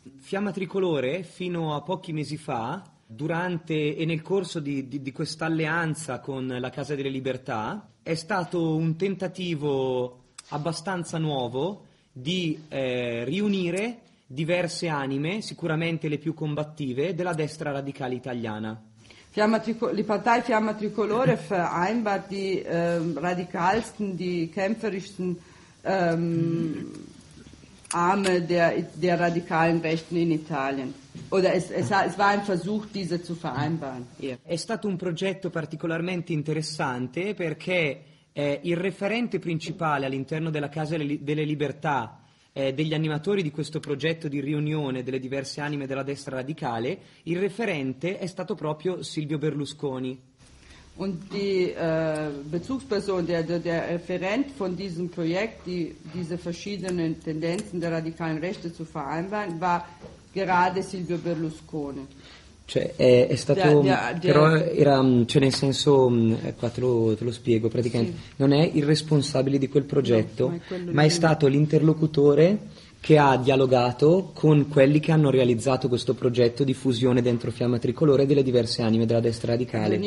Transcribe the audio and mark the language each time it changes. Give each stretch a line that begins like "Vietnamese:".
Italian: Fiamma Tricolore, fino a pochi mesi fa, durante e nel corso di questa alleanza con la Casa delle Libertà, è stato un tentativo abbastanza nuovo di riunire diverse anime, sicuramente le più combattive, della destra radicale italiana.
German: Die Partei Fiamma Tricolore vereinbart die radikalsten, die kämpferischsten Arme der radikalen Rechten in Italien. Oder es war ein Versuch, diese zu vereinbaren. Yeah.
Italian: È stato un progetto particolarmente interessante perché il referente principale all'interno della Casa delle Libertà, degli animatori di questo progetto di riunione delle diverse anime della destra radicale, il referente è stato proprio Silvio Berlusconi.
German: Und die Bezugsperson, der Referent von diesem Projekt, die diese verschiedenen Tendenzen der radikalen Rechte zu vereinbaren, war gerade Silvio Berlusconi.
Italian: Cioè è stato però era cioè nel senso qua te lo spiego praticamente sì. Non è il responsabile di quel progetto, no, ma è stato l'interlocutore che ha dialogato con quelli che hanno realizzato questo progetto di fusione dentro Fiamma Tricolore delle diverse anime della destra radicale.